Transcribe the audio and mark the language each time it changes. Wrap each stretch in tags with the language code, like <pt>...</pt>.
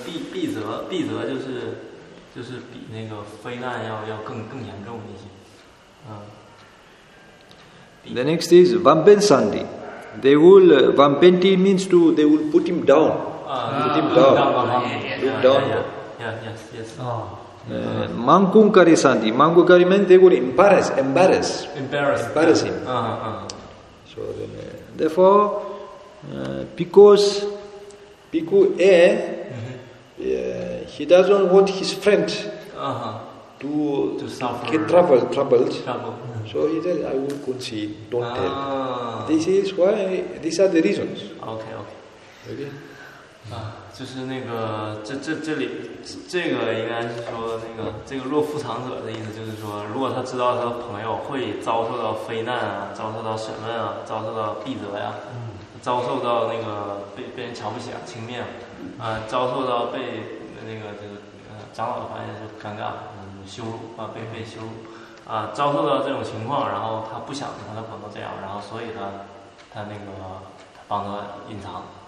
<zh>必责就是比那个非难要更严重一些。</zh> <en>The next is Vampensandhi. They will Vampenti means to they will put him down. Put him down. Mangkunkari Sandhi. Mangkunkari means they will embarrass. Embarrass him. So then, therefore, because. Bhikkhu A, he doesn't want his friend to suffer, get troubled. Mm-hmm. So he said, I will concede, don't tell. This is why, these are the reasons. Okay, okay. Okay.</en> <zh>就是那个这里这个应该是说那个这个若夫长者的意思，就是说如果他知道他的朋友会遭受到非难啊，遭受到审问啊，遭受到闭责呀，遭受到那个被人瞧不起啊，轻蔑啊，遭受到被那个这个长老的发现就尴尬，羞辱啊，被羞辱啊，遭受到这种情况，然后他不想让他朋友这样，然后所以他那个帮他隐藏。</zh>